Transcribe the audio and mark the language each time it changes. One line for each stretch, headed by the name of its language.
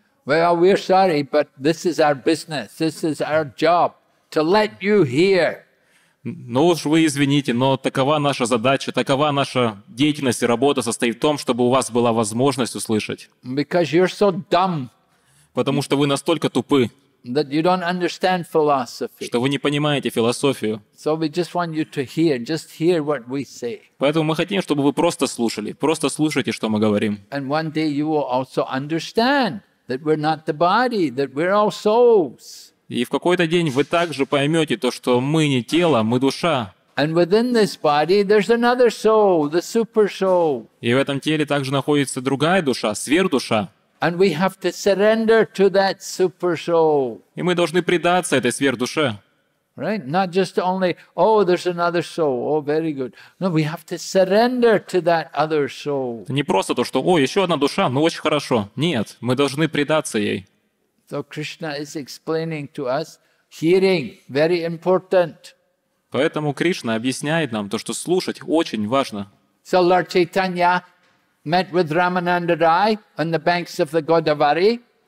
English: Well, we're sorry, but this is our business. This is our job to let you hear.
Russian: Ну уж вы извините, но такова наша задача, такова наша деятельность и работа состоит в том, чтобы у вас была возможность услышать.
English: Because you're so dumb.
Russian: Потому что вы настолько тупы,
English: that you don't understand philosophy.
Russian: Что вы не понимаете философию.
English: So we just want you to hear, just hear what we say.
Russian: Поэтому мы хотим, чтобы вы просто слушайте, что мы говорим.
English: And one day you will also understand that we're not the body, that we're all souls.
Russian: И в какой-то день вы также поймете то, что мы не тело, мы душа.
English: And within this body there's another soul, the super soul.
Russian: И в этом теле также находится другая душа, сверхдуша.
English: And we have to surrender to that super soul.
Russian: И мы должны предаться этой сверхдуше.
English: Right? Not just only, oh, there's another soul. Oh, very good. No, we have to surrender to that other soul.
Russian: Не просто то, что, о, еще одна душа, ну очень хорошо. Нет, мы должны предаться ей.
English: So Krishna is explaining to us hearing very important.
Russian: Поэтому Кришна объясняет нам то, что слушать очень важно.
English: So Lord Chaitanya met with Ramananda Rai on the banks of the Godavari.